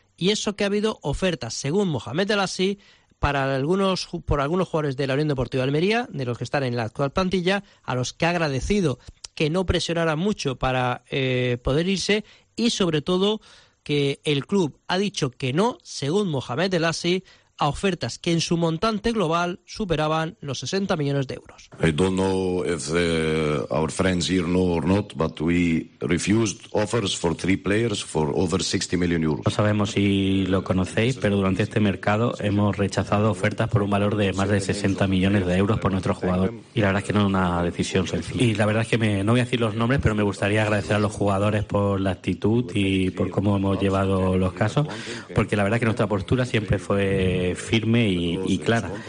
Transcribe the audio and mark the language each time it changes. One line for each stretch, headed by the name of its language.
Spanish: Y eso que ha habido ofertas, según Mohamed Elassi, por algunos jugadores de la Unión Deportiva de Almería, de los que están en la actual plantilla, a los que ha agradecido que no presionaran mucho para poder irse, y sobre todo que el club ha dicho que no, según Mohamed Elassi, a ofertas que en su montante global superaban los 60 millones de euros.
English: I don't know if our friends here know or not, but we refused offers for three players for over 60 million euros.
Spanish: No sabemos si lo conocéis, pero durante este mercado hemos rechazado ofertas por un valor de más de 60 millones de euros por nuestro jugador. Y la verdad es que no es una decisión sencilla. Y la verdad es que no voy a decir los nombres, pero me gustaría agradecer a los jugadores por la actitud y por cómo hemos llevado los casos, porque la verdad es que nuestra postura siempre fue firme y clara.